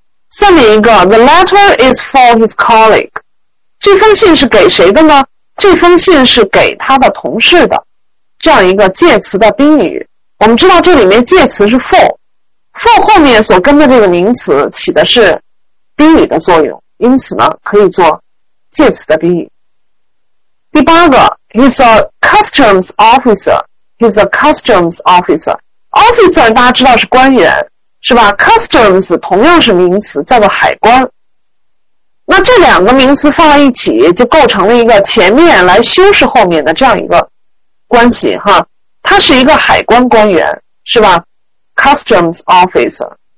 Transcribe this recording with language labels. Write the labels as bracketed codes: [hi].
[zh] 下面一个 [en] The letter is for his colleague， [zh] 这封信是给谁的呢？这封信是给他的同事的，这样一个介词的宾语。我们知道这里面介词是 for 后面所跟的这个名词起的是宾语的作用，因此呢可以做介词的宾语。第八个 [en] He's a customs officer. He's a customs officer. [zh] Officer 大家知道是官员，是吧？Customs 同样是名词，叫做海关。那这两个名词放在一起就构成了一个前面来修饰后面的这样一个关系哈。他是一个海关官员，是吧？Customs officer。